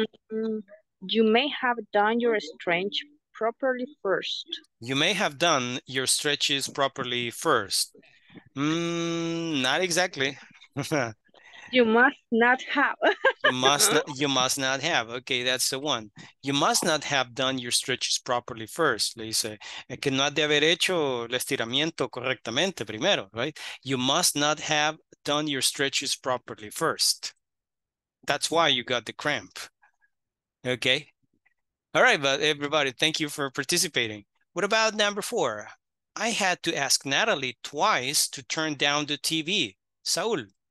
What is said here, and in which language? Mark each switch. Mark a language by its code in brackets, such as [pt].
[en] You may have done your stretch properly first. You may have done your stretches properly first. Not exactly. You must not have. You must not have. Okay, that's the one. You must not have done your stretches properly first. [es] Le dice, que no ha de haber hecho el estiramiento correctamente primero, right? [en] You must not have done your stretches properly first. That's why you got the cramp. Okay. All right, but everybody, thank you for participating. What about number four? I had to ask Natalie twice to turn down the TV. Saul.